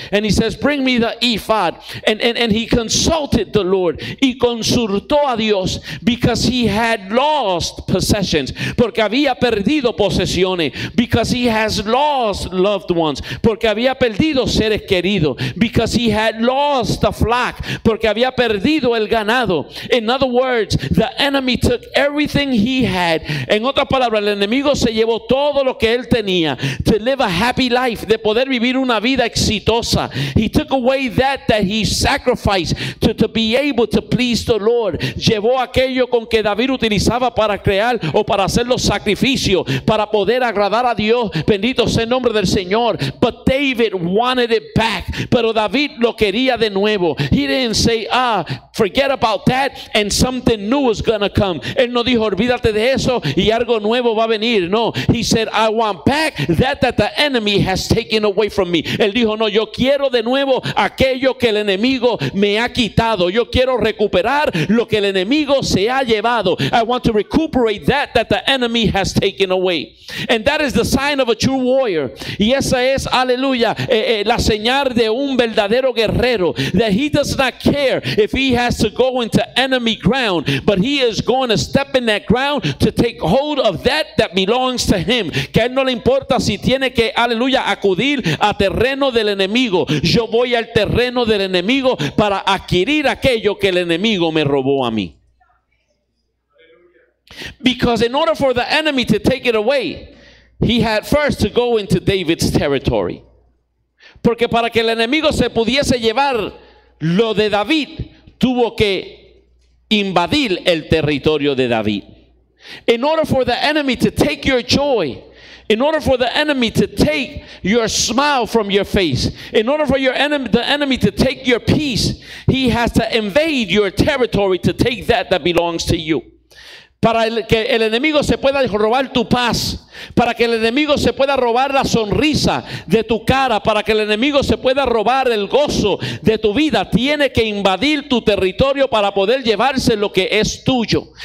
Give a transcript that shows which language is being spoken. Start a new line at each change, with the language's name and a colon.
English: And he says, bring me the ephod. And he consulted the Lord.
Spanish: Y consultó a Dios,
English: because he had lost possessions.
Spanish: Porque había perdido posesiones.
English: Because he has lost loved ones.
Spanish: Porque había perdido seres queridos.
English: Because he had lost the flock.
Spanish: Porque había perdido el ganado.
English: In other words, the enemy took everything he had.
Spanish: En otra palabra, el enemigo se llevó todo lo que él tenía.
English: To live a happy life,
Spanish: de poder vivir una vida exitosa.
English: He took away that he sacrificed to be able to please the Lord.
Spanish: Llevó aquello con que David utilizaba para crear o para hacer los sacrificios, para poder agradar a Dios. Bendito sea el nombre del Señor.
English: But David wanted it back.
Spanish: Pero David lo quería de nuevo.
English: He didn't say, forget about that and something new is gonna come.
Spanish: Él no dijo, olvídate de eso y algo nuevo va a venir.
English: No, he said, I want back that the enemy has taken away from me.
Spanish: Él dijo, no, yo quiero de nuevo aquello que el enemigo me ha quitado. Yo quiero recuperar lo que el enemigo se ha llevado.
English: I want to recuperate that the enemy has taken away. And that is the sign of a true warrior.
Spanish: Y esa es, aleluya, la señal de un verdadero guerrero.
English: That he does not care if he has to go into enemy ground, but he is going to step in that ground to take hold of that belongs to him.
Spanish: Que él no le importa si tiene que, aleluya, acudir a terreno del enemigo. Yo voy al terreno del enemigo para adquirir aquello que el enemigo me robó a mí.
English: Because in order for the enemy to take it away, he had first to go into David's territory.
Spanish: Porque para que el enemigo se pudiese llevar lo de David, tuvo que invadir el territorio de David.
English: In order for the enemy to take your joy, in order for the enemy to take your smile from your face, in order for the enemy to take your peace, he has to invade your territory to take that belongs to you.
Spanish: Para que el enemigo se pueda robar tu paz, para que el enemigo se pueda robar la sonrisa de tu cara, para que el enemigo se pueda robar el gozo de tu vida, tiene que invadir tu territorio para poder llevarse lo que es tuyo.